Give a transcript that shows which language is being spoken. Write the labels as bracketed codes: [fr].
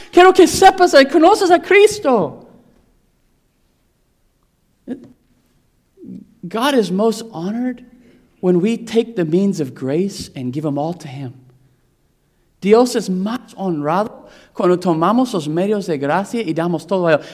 [es] Quiero que sepas y conoces a Cristo. [en] God is most honored when we take the means of grace and give them all to Him. [es] Dios es más honrado cuando tomamos los medios de gracia y damos todo a Él.